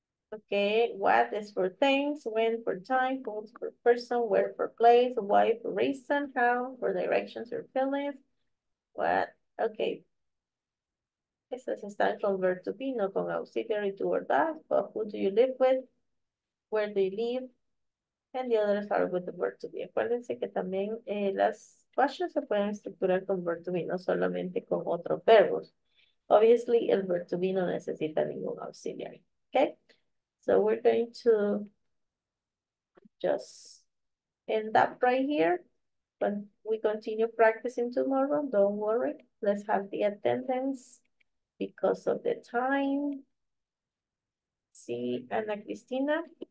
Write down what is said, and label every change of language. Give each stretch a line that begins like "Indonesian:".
English: Okay, what is for things, when for time, goals for person, where for place, why for reason, how for directions or feelings, what, okay.
Spanish: Estas están con
English: verb to be, no con auxiliary, to or that, but who do you live with, where do you live, and the others are with the verb to be.
Spanish: Acuérdense que también las questions se pueden estructurar con verb to be, no solamente con otros verbos. Obviously, el verb to be no necesita ningún auxiliary, okay?
English: So we're going to just end up right here, but we continue practicing tomorrow. Don't worry. Let's have the attendance because of the time. See Ana Cristina.